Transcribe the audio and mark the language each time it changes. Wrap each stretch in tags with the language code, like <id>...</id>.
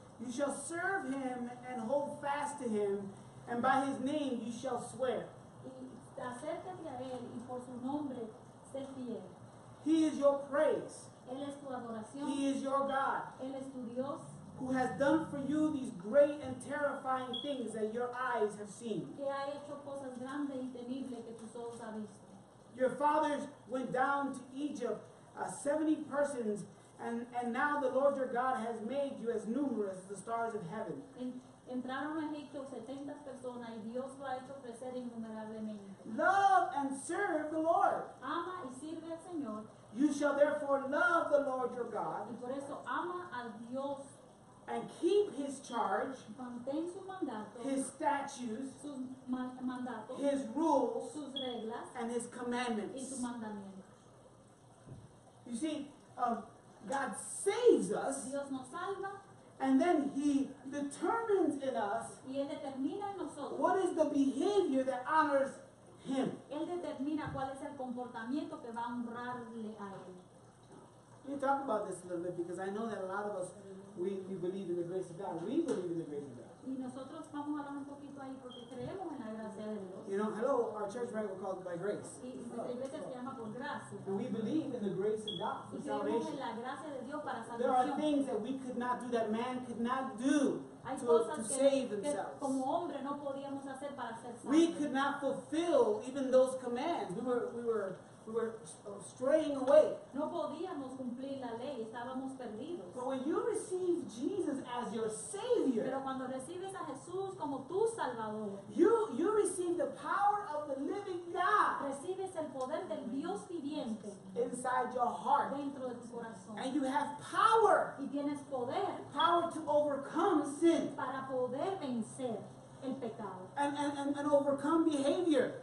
<en>You shall serve him and hold fast to him, and by his name you shall swear.</en> <es>Acércate a él y por su nombre sé fiel.</es> <en>He is your praise.</en> <es>Él es tu adoración.</es> <en>He is your God.</en> <es>Él es tu Dios.</es> <en>who has done for you these great and terrifying things that your eyes have seen.</en> <es>Que ha hecho cosas grandes y temibles que tus ojos han visto.</es> <en>Your fathers went down to Egypt, 70 persons, and now the Lord your God has made you as numerous as the stars of heaven.</en> <es>Entraron a Egipto 70 personas y Dios lo ha hecho crecer innumerablemente.</es> <en>Love and serve the Lord.</en> <es>Ama y sirve al Señor.</es> <en>You shall therefore love the Lord your God.</en> <es>Y por eso ama al Dios.</es> <en>And keep his charge.</en> <es>Mantén su mandato.</es> <en>His statutes.</en> <es>Su mandato.</es> <en>His rules.</en> <es>Sus reglas.</es> <en>And his commandments.</en> <es>Y su mandamiento.</es> <en>You see, God saves us.</en> <es>Dios nos salva.</es> <en>And then he determines in us</en> <es>y él determina en nosotros</es> <en>what is the behavior that honors him.</en> <es>Él determina cuál es el comportamiento que va a honrarle a él.</es> <en>You talk about this a little bit because I know that a lot of us, we believe in the grace of God. We believe in the grace of God.</en> <es>Y nosotros vamos a hablar un poquito ahí porque creemos en la gracia de Dios.</es> <en>You know, hello, our church right, we're called by grace.</en> <es>Y nuestra iglesia se llama por gracia.</es> <en>And we believe in the grace of God for salvation.</en> <es>Y creemos en la gracia de Dios para salvación.</es> <en>There are things that we could not do, that man could not do to save themselves.</en> <es>Hay cosas que como hombre no podíamos hacer para ser salvos.</es> <en>We could not fulfill even those commands. We were straying away.</en> <es>No podíamos cumplir la ley, estábamos perdidos.</es> <en>But when you receive Jesus as your Savior,</en> <es>pero cuando recibes a Jesús como tu Salvador,</es> <en>you receive the power of the living God.</en> <es>Recibes el poder del Dios viviente</es> <en>inside your heart,</en> <es>dentro de tu corazón.</es> <en>And you have power.</en> <es>Y tienes poder.</es> <en>Power to overcome sin.</en> <es>Para poder vencer.</es> <en>And overcome behavior.</en>